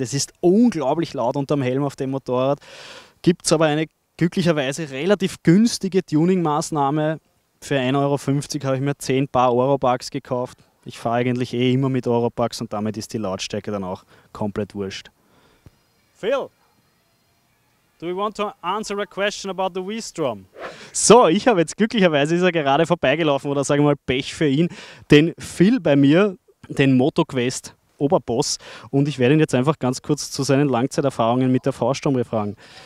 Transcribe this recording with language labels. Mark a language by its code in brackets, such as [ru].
[de] Es ist unglaublich laut unterm Helm auf dem Motorrad. Gibt es aber eine glücklicherweise relativ günstige Tuning-Maßnahme. Für 1,50 Euro habe ich mir 10 Paar Europarks gekauft. Ich fahre eigentlich eh immer mit Europarks und damit ist die Lautstärke dann auch komplett wurscht. Phil! [en] Do we want to answer a question about the V-Strom? [de] So, ich habe jetzt glücklicherweise, ist er gerade vorbeigelaufen, oder sagen wir mal Pech für ihn, den Phil bei mir, den MotoQuest Oberboss, und ich werde ihn jetzt einfach ganz kurz zu seinen Langzeiterfahrungen mit der V-Strom befragen.